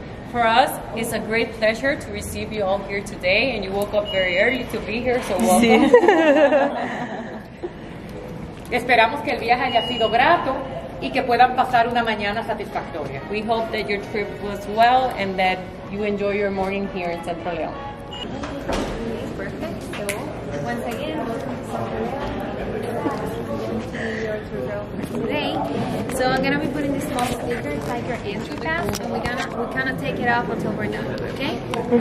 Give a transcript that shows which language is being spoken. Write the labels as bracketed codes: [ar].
[en] For us, it's a great pleasure to receive you all here today, and you woke up very early to be here, so welcome. [es] Esperamos que el viaje haya sido grato y que puedan pasar una mañana satisfactoria. [en] We hope that your trip was well and that you enjoy your morning here in Centro León. Perfect. So, once again, today. So I'm gonna be putting this small sticker inside your entry pass, and we're gonna take it off until we're done. Okay? Mm-hmm.